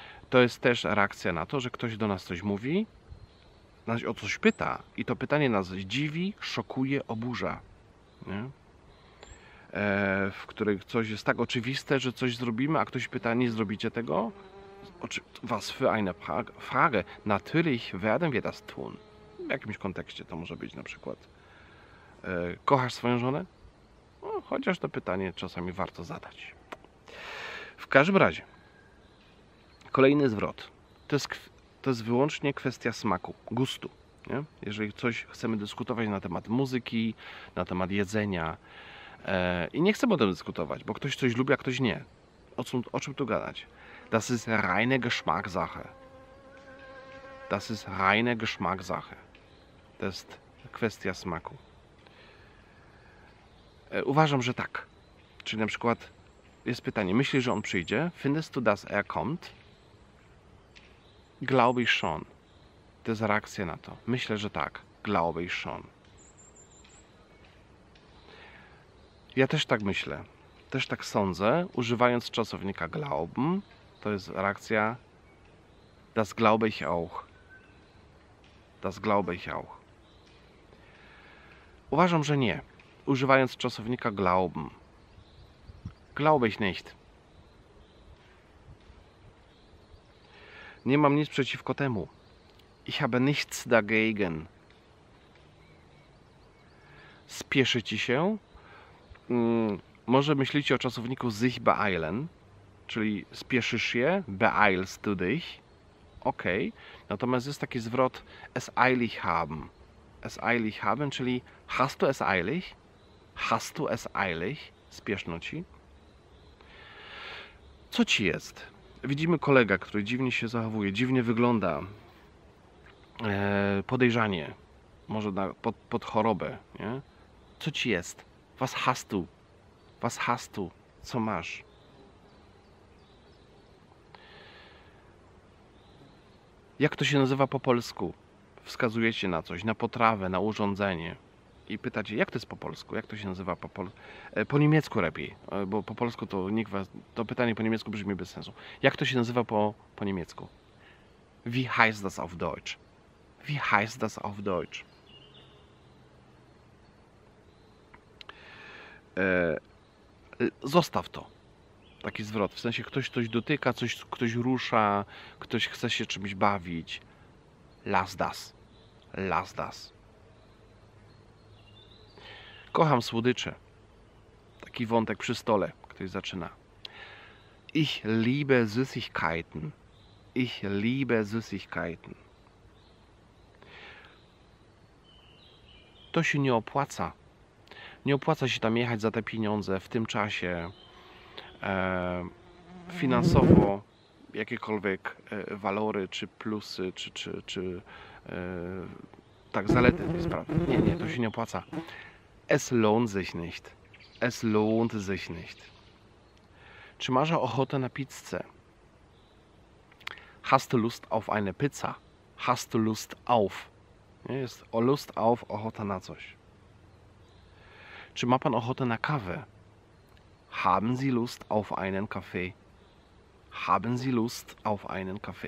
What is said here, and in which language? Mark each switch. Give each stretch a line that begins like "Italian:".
Polish: To jest też reakcja na to, że ktoś do nas coś mówi, nas o coś pyta i to pytanie nas dziwi, szokuje, oburza. Nie? W której coś jest tak oczywiste, że coś zrobimy, a ktoś pyta, nie zrobicie tego?
German: Was für eine Frage? Natürlich werden wir das tun.
Polish: W jakimś kontekście to może być na przykład. Kochasz swoją żonę? No, chociaż to pytanie czasami warto zadać. W każdym razie, kolejny zwrot. To jest wyłącznie kwestia smaku, gustu. Nie? Jeżeli coś chcemy dyskutować na temat muzyki, na temat jedzenia i nie chcemy o tym dyskutować, bo ktoś coś lubi, a ktoś nie. O czym tu gadać?
German: Das ist reine Geschmackssache. Das ist reine Geschmackssache.
Polish: To jest kwestia smaku. Uważam, że tak. Czyli na przykład jest pytanie, myślisz, że on przyjdzie?
German: Findest du, dass er kommt? Glaube ich schon.
Polish: To jest reakcja na to. Myślę, że tak.
German: Glaube ich schon.
Polish: Ja też tak myślę. Też tak sądzę, używając czasownika glauben. To jest reakcja
German: das glaube ich auch. Das glaube ich auch.
Polish: Uważam, że nie. Używając czasownika glauben.
German: Glaube ich nicht.
Polish: Nie mam nic przeciwko temu.
German: Ich habe nichts dagegen.
Polish: Spieszy ci się? Może myślicie o czasowniku sich beeilen, czyli spieszysz się,
German: beeilst du dich.
Polish: Okej. Okay. Natomiast jest taki zwrot es eilig haben. es eilig haben, czyli
German: hast du es eilig? Hast du es eilig?
Polish: Spieszno ci? Co ci jest? Widzimy kolega, który dziwnie się zachowuje, dziwnie wygląda. Podejrzanie. Może pod chorobę, nie? Co ci jest?
German: Was hast du? Was hast du?
Polish: Co masz? Jak to się nazywa po polsku? Wskazujecie na coś, na potrawę, na urządzenie i pytacie, jak to jest po polsku? Jak to się nazywa po polsku? Po niemiecku lepiej, bo po polsku to nikt was, to pytanie po niemiecku brzmi bez sensu. Jak to się nazywa po niemiecku?
German: Wie heißt das auf Deutsch? Wie heißt das auf Deutsch?
Polish: Zostaw to. Taki zwrot. W sensie ktoś coś dotyka, ktoś rusza, ktoś chce się czymś bawić.
German: Lass das. Lass das.
Polish: Kocham słodycze. Taki wątek przy stole. Ktoś zaczyna.
German: Ich liebe Süßigkeiten. Ich liebe Süßigkeiten.
Polish: To się nie opłaca. Nie opłaca się tam jechać za te pieniądze w tym czasie. Finansowo jakiekolwiek walory, czy plusy, czy zalety tej sprawy. Nie, to się nie opłaca. Es lohnt sich nicht. Es lohnt sich nicht. Czy masz ochotę na pizzę?
German: Hast du Lust auf eine Pizza? Hast du Lust auf?
Polish: Nie, jest o Lust auf, ochota na coś. Czy ma pan ochotę na kawę?
German: Haben Sie Lust auf einen Kaffee? Haben Sie Lust auf einen Kaffee?